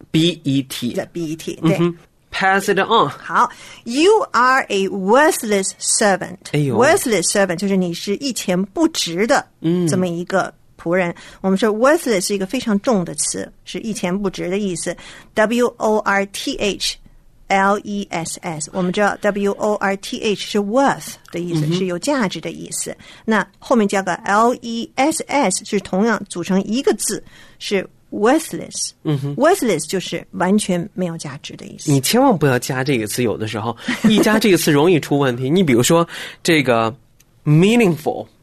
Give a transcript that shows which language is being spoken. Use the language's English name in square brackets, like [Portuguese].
[English] bet， bet， 对。嗯Pass it on. 好 ，You are a worthless servant.、哎、 [Chinese] worthless servant 就是你是一钱不值的这么一个仆人。嗯、我们说 worthless 是一个非常重的词，是一钱不值的意思。 W O R T H L E S S， 我们知道 W O R T H 是 worth 的意思、嗯，是有价值的意思。那后面加个 L E S S 是同样组成一个字，是。 [English] Worthless、嗯、 [Chinese] Worthless 就是完全没有价值的意思。你千万不要加这个词，有的时候一加这个词容易出问题。你比如说这个 meaningful，